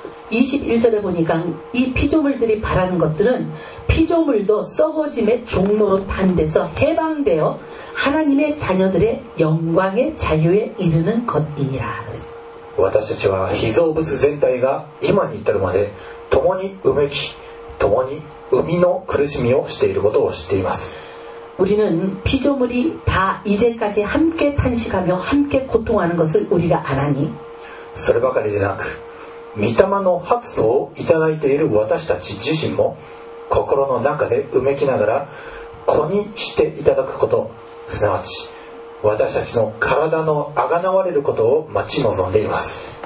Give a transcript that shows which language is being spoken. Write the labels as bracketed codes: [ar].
[ko] 21절에보니까이피조물들이바라는것들은피조물도썩어짐의종노로단돼서해방되어하나님의자녀들의영광의자유에이르는것이니라 [ja] 私たちは被造物全体が今に至るまで共にうめき共に生みの苦しみをしていることを知っています。 [ko] 우리는피조물이다이제까지함께탄식하며함께고통하는것을우리가알아니 [ja] そればかりでなく御霊の発想をいただいている私たち自身も心の中でうめきながら子にしていただくこと、すなわち私たちの体のあがなわれることを待ち望んでいます。